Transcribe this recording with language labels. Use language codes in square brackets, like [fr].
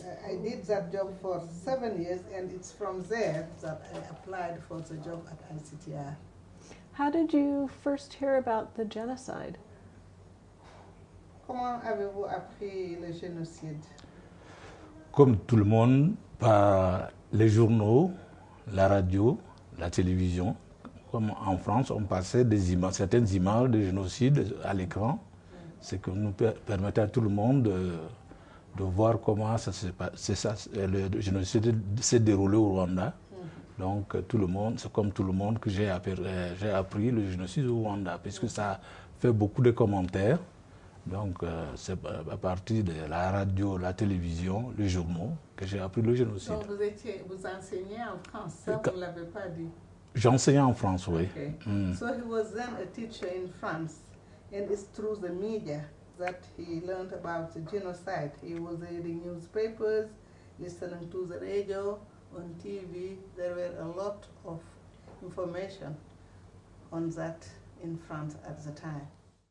[en] I did that job for 7 years, and it's from there that I applied for the job at ICTR. How did you first hear about the genocide? [fr] Comment avez-vous appris le génocide? Comme tout le monde, par les journaux, la radio, la télévision. Comme en France, on passait des images, certaines images de génocide à l'écran, ce que nous permettait à tout le monde de voir comment ça se passe, c'est ça, le génocide s'est déroulé au Rwanda. Donc tout le monde, c'est comme tout le monde que j'ai appris le génocide au Rwanda, puisque ça fait beaucoup de commentaires. Donc c'est à partir de la radio, la télévision, les journaux que j'ai appris le génocide. Donc vous enseignez en France, ça vous ne l'avez pas dit? J'enseignais en France, oui. [en] Okay. So he was then a teacher in France, and it's through the media that he learned about the genocide. He was reading newspapers, listening to the radio. On TV, there were a lot of information on that in France at the time.